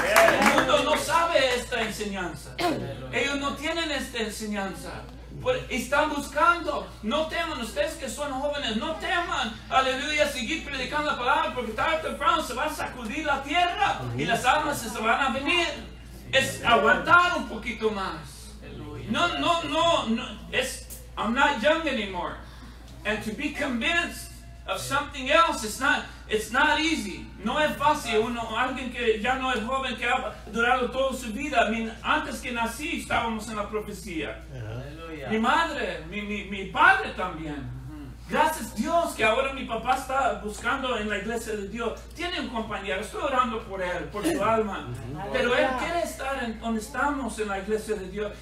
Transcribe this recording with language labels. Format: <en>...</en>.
<es>El mundo no sabe esta enseñanza. Ellos no tienen esta enseñanza. Están buscando, no teman ustedes que son jóvenes, no teman, aleluya, seguir predicando la palabra, porque tarde o temprano se va a sacudir la tierra y las almas se van a venir. Es aguantar un poquito más. No, es</es> <en>I'm not young anymore, and to be convinced of something else, it's not easy.</en> <es>No es fácil. Uno, alguien que ya no es joven, que ha durado toda su vida, antes que nací estábamos en la profecía. Mi madre, mi padre también. Gracias a Dios que ahora mi papá está buscando en la iglesia de Dios. Tiene un compañero, estoy orando por él, por su alma. Pero él quiere estar en donde estamos en la iglesia de Dios.</es>